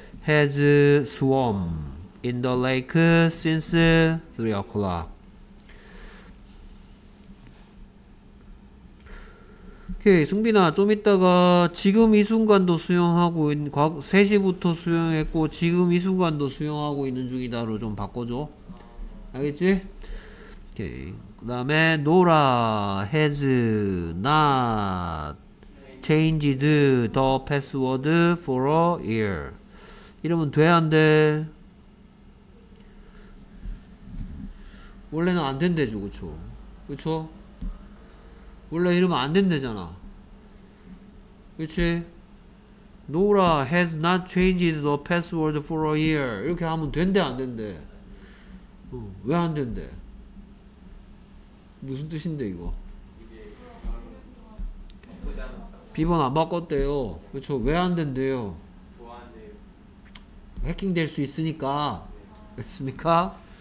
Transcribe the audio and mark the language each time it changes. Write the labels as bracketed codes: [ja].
[en] Has swum in the lake since 3 o'clock. [ko] Okay, 승빈아 좀 이따가 지금 이 순간도 수영하고 3시부터 수영했고 지금 이 순간도 수영하고 있는 중이다로 좀 바꿔줘. 알겠지? Okay. 그 다음에 [en] Nora has not changed the password for a year. [ko] 이러면 돼 안 돼? 원래는 안 된대죠. 그쵸? 그쵸? 원래 이러면 안 된대잖아. 그치? [en] Nora has not changed the password for a year. [ko] 이렇게 하면 된대 안 된대? 어, 왜 안 된대? 무슨 뜻인데 이거? 비번 안 바꿨대요. 그쵸? 왜 안 된대요? 해킹 될 수 있으니까. 됐습니까?